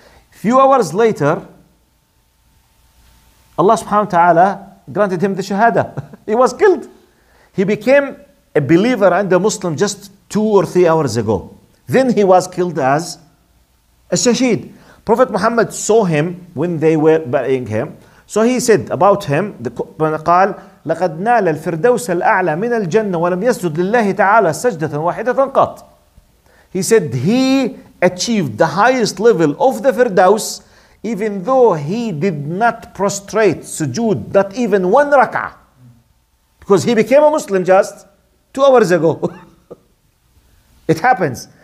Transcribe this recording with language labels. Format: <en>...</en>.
<en>Few hours later, Allah subhanahu wa ta'ala granted him the shahada. He was killed. He became a believer and a Muslim just 2 or 3 hours ago. Then he was killed as a shaheed. Prophet Muhammad saw him when they were burying him. So he said about him,</en> <ar>قال لقد نال الفردوس الأعلى من الجنة ولم يسجد لله تعالى سجدة واحدة قط.</ar> <en>He said he achieved the highest level of the Firdaus even though he did not prostrate sujood, not even one rak'ah. Because he became a Muslim just 2 hours ago. It happens.</en>